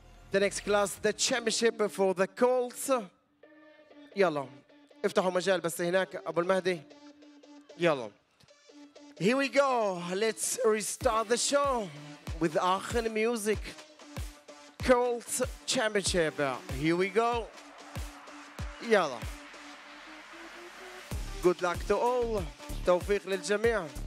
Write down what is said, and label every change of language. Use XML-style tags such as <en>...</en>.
<en>The next class, the championship for the Colts.</en> <ar>يلا افتحوا مجال بس هناك أبو المهدي.</ar> <en>يلا. Here we go. Let's restart the show with Aachen Music. Colts Championship. Here we go. يلا. Good luck to all.</en> <ar>توفيق للجميع.</ar>